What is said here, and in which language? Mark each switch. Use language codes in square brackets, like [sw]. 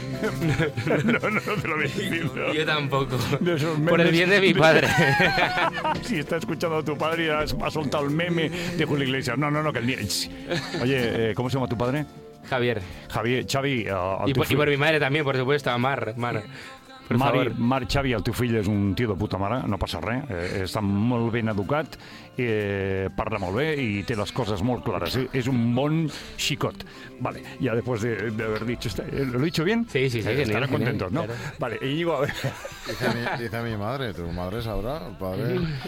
[es] No te lo voy a decir. No. Yo tampoco. Por el bien de mi padre. Si está escuchando a tu padre y ha soltado el meme de Julio Iglesias. No, que el día. Oye, ¿cómo se llama tu padre? Javier, Xavi. Y por mi madre también, por supuesto, a Mar. [ca] Mar Xavi, el teu fill és un tio de puta mare, no passa res, està molt ben educat, parla molt bé i té les coses molt clares, és un bon xicot. [es] Vale, ya después de haber dicho, ¿lo he dicho bien? Sí, estarán contentos, ¿no? Claro. Vale, y digo, a ver. Dice mi madre, tu madre sabrá, padre.